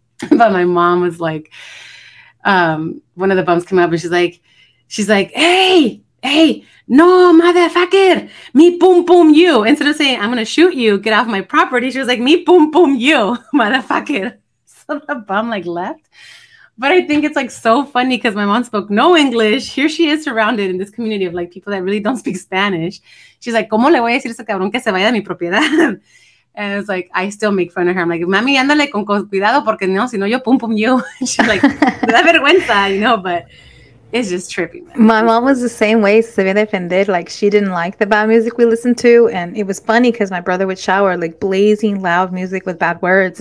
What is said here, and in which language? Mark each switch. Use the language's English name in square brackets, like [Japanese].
[English] But my mom was like, one of the bums came up and she's like, hey, no, motherfucker, me boom, boom, you. Instead of saying, I'm going to shoot you, get off my property. She was like, me boom, boom, you, motherfucker. So the bum like left. But I think it's like so funny because my mom spoke no English. Here she is surrounded in this community of like people that really don't speak Spanish. She's like, [Spanish] ¿cómo le voy a decir a ese cabrón que se vaya de mi propiedad? [English] And it's like, I still make fun of her. I'm like, [Spanish] mami, ándale con cuidado porque no, si no yo pum pum [English] you. She's like, [Spanish] da vergüenza, [English] you know, but it's just trippy, man. My mom was the same way, se me defended. Like, she didn't like the bad music we listened to. And it was funny because my brother would shower, like, blazing loud music with bad words.